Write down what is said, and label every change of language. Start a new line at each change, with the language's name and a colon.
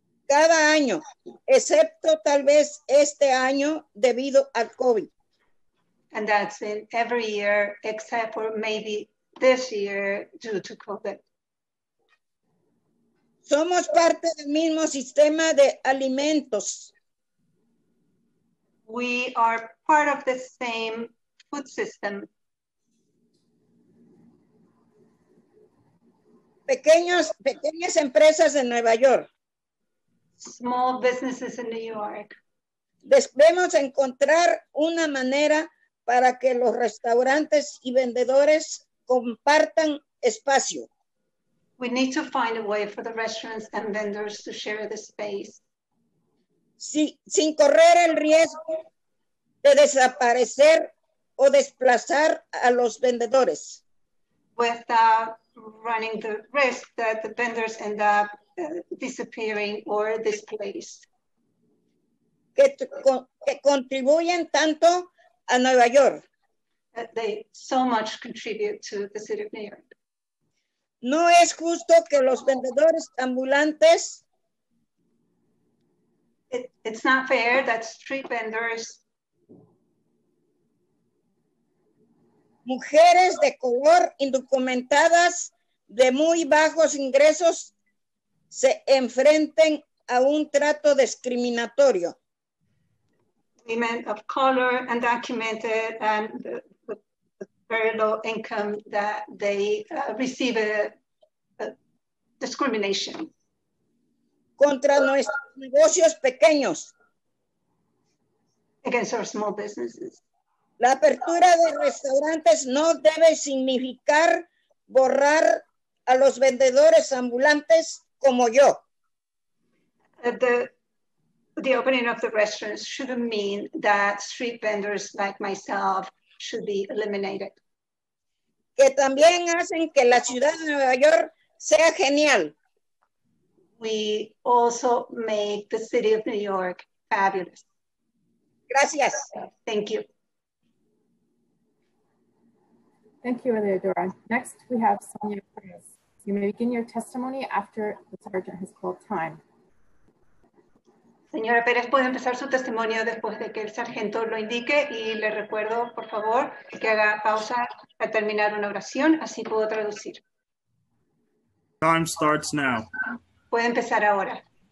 Spanish: Cada año, excepto tal vez este año debido al COVID.
English: And that's in every year, except for maybe this year due to COVID.
Spanish: Somos parte del mismo sistema de alimentos.
English: We are part of the same food system.
Spanish: Pequeñas empresas en Nueva York.
English: Small businesses in New York.
Spanish: Debemos encontrar una manera para que los restaurantes y vendedores compartan espacio.
English: We need to find a way for the restaurants and vendors to share the space.
Spanish: Sin correr el riesgo de desaparecer o desplazar a los vendedores.
English: Without running the risk that the vendors end up disappearing or displaced.
Spanish: Que contribuyen tanto a Nueva York.
English: They so much contribute to the city of New York.
Spanish: No es justo que los vendedores ambulantes.
English: It's not fair that street vendors.
Spanish: Mujeres de color indocumentadas de muy bajos ingresos se enfrenten a un trato discriminatorio.
English: Women of color, undocumented, and very low income that they receive a discrimination.
Spanish: Contra nuestros negocios pequeños.
English: Against our small businesses.
Spanish: La apertura de restaurantes no debe significar borrar a los vendedores ambulantes como yo.
English: The opening of the restaurants shouldn't mean that street vendors like myself should be eliminated.
Spanish: Que también hacen que la ciudad de Nueva York sea genial.
English: We also make the city of New York fabulous.
Spanish: Gracias.
English: Thank you. Thank you, Eleodora. Next, we have Sonia Cruz. You may begin your testimony after the sergeant has called time.
Spanish: Señora Pérez, puede empezar su testimonio después de que el sargento lo indique y le recuerdo, por favor, que haga pausa para terminar una oración, así puedo traducir.
English: Time starts now.
Spanish: Puede empezar ahora.